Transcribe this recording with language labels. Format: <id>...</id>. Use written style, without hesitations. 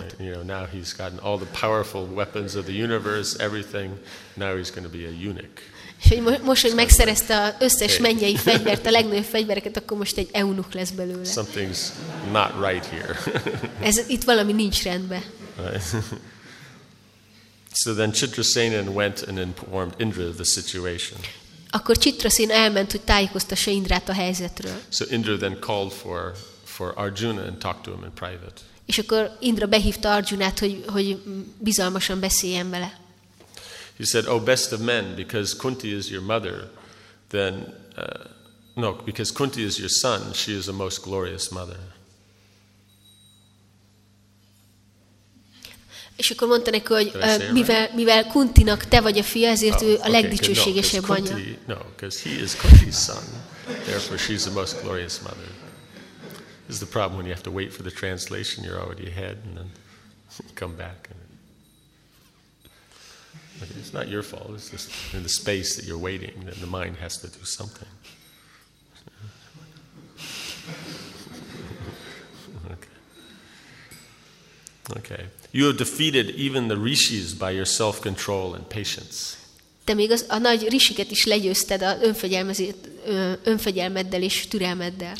<en>Right, you know, now he's gotten all the powerful weapons of the universe, everything. Now he's going to be a eunuch.</en> <hu>És hogy most, hogy megszerezte az összes mennyei fegyvert, a legnagyobb fegyvereket, akkor most egy eunuch lesz belőle.</hu> <en>Something's not right here.</en> <hu>Ez itt valami nincs rendben.</hu> <en>Right. So then Chitrasena went and informed Indra of the situation.</en> <hu>Akkor Chitrasena elment, hogy tájékoztassa Indrát a helyzetről.</hu> <en>So Indra then called for Arjuna and talked to him in private.</en> <hu>És akkor Indra behívta Arjunát, hogy bizalmasan beszéljen vele.</hu> <en>He said, "Oh best of men, because Kunti is your mother, because Kunti is your son, she is a most glorious mother."</en> <hu>És akkor mondta neki, hogy mivel Kuntinak te vagy a fia, ezért ő a legdicsőségesebb anya.</hu> <en>No, because he is Kunti's son. Therefore, she's the most glorious mother. This is the problem when you have to wait for the translation, you're already ahead, and then come back. Okay, it's not your fault, it's just in the space that you're waiting, that the mind has to do something. Okay. You have defeated even the rishis by your self-control and patience.</en> <hu>Te még a nagy rishiket is legyőzted az önfegyelmeddel és türelmeddel.</hu>